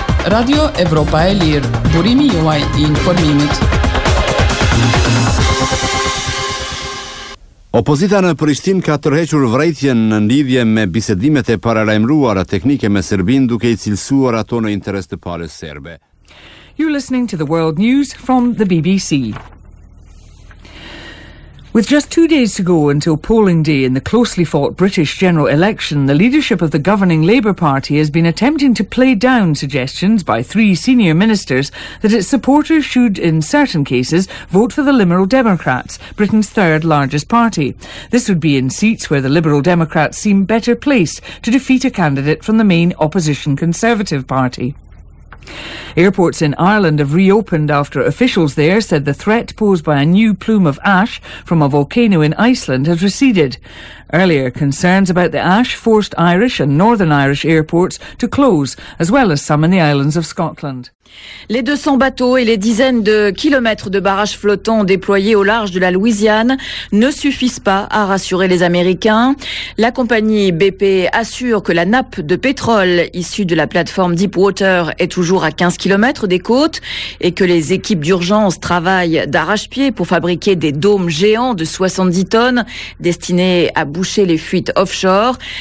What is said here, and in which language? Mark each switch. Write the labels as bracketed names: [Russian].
[Albanian] Radio Evropa e Lirë, burimi juaj i informimit. Opozita në Prishtinë ka tërhequr vrejtjen në lidhje me bisedimet e paralajmëruara teknike me Serbinë, duke i cilësuar ato në interes të palës serbe. [English] You're listening to the World News from the BBC. With just 2 days to go until polling day in the closely fought British general election, the leadership of the governing Labour Party has been attempting to play down suggestions by 3 senior ministers that its supporters should, in certain cases, vote for the Liberal Democrats, Britain's third largest party. This would be in seats where the Liberal Democrats seem better placed to defeat a candidate from the main opposition Conservative Party. Airports in Ireland have reopened after officials there said the threat posed by a new plume of ash from a volcano in Iceland has receded. Earlier, concerns about the ash forced Irish and Northern Irish airports to close, as well as some in the islands of Scotland. [French] Les 200 bateaux et les dizaines de kilomètres de barrages flottants déployés au large de la Louisiane ne suffisent pas à rassurer les Américains. La compagnie BP assure que la nappe de pétrole issue de la plateforme Deepwater est toujours à 15 kilomètres des côtes et que les équipes d'urgence travaillent d'arrache-pied pour fabriquer des dômes géants de 70 tonnes destinés à boucher les fuites offshore.